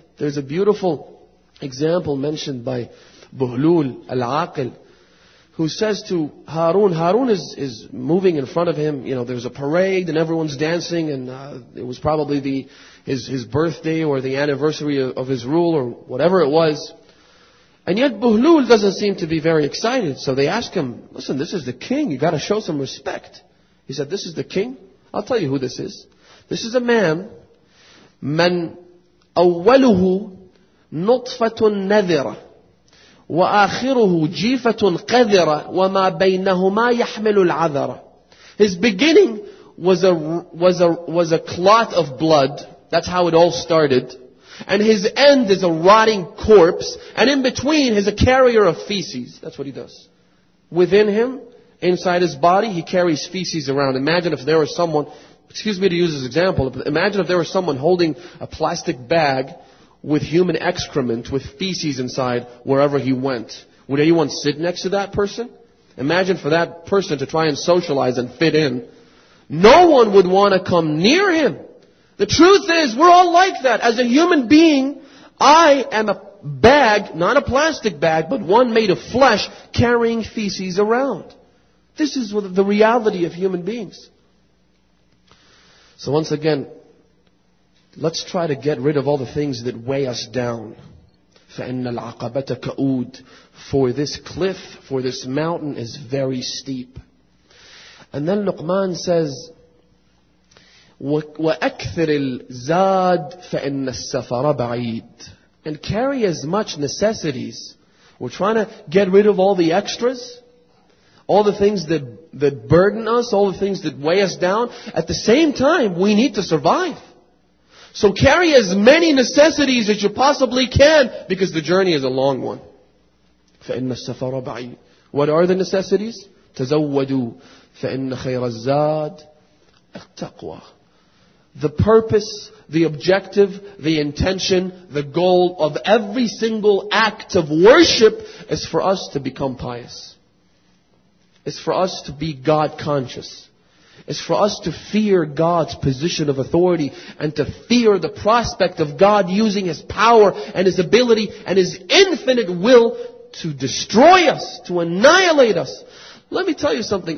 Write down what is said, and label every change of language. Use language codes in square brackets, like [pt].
[en] There's a beautiful example mentioned by Buhlul al-Aqil, who says to Harun, Harun is moving in front of him, you know, there's a parade and everyone's dancing, and it was probably his birthday or the anniversary of his rule or whatever it was. And yet Buhlul doesn't seem to be very excited. So they ask him, listen, this is the king, you got to show some respect. He said, this is the king? I'll tell you who this is. This is a man, [ar] من أوله نطفة نذرة وآخره جيفة قذرة وما بينهما يحمل العذرة. [en] His beginning was a clot of blood. That's how it all started. And his end is a rotting corpse. And in between is a carrier of feces. That's what he does. Within him, inside his body, he carries feces around. Imagine if there was someone, excuse me to use this example, imagine if there was someone holding a plastic bag with human excrement, with feces inside, wherever he went. Would anyone sit next to that person? Imagine for that person to try and socialize and fit in. No one would want to come near him. The truth is, we're all like that. As a human being, I am a bag, not a plastic bag, but one made of flesh, carrying feces around. This is the reality of human beings. So once again, let's try to get rid of all the things that weigh us down. [ar] فَإِنَّ الْعَقَبَةَ كَأُودِ. [en] For this cliff, for this mountain is very steep. And then Luqman says, [ar] وَأَكْثِرِ الْزَادِ فَإِنَّ السَّفَرَ بَعِيدٍ. [en] And carry as much necessities. We're trying to get rid of all the extras, all the things that burden us, all the things that weigh us down. At the same time, we need to survive. So carry as many necessities as you possibly can, because the journey is a long one. [ar] فَإِنَّ السَّفَرَ بَعِيدٍ. [en] What are the necessities? [ar] تَزَوَّدُوا فَإِنَّ خَيْرَ الزَّادِ التَّقْوَى. [en] the purpose, the objective, the intention, the goal of every single act of worship is for us to become pious. It's for us to be God conscious. It's for us to fear God's position of authority and to fear the prospect of God using His power and His ability and His infinite will to destroy us, to annihilate us. Let me tell you something.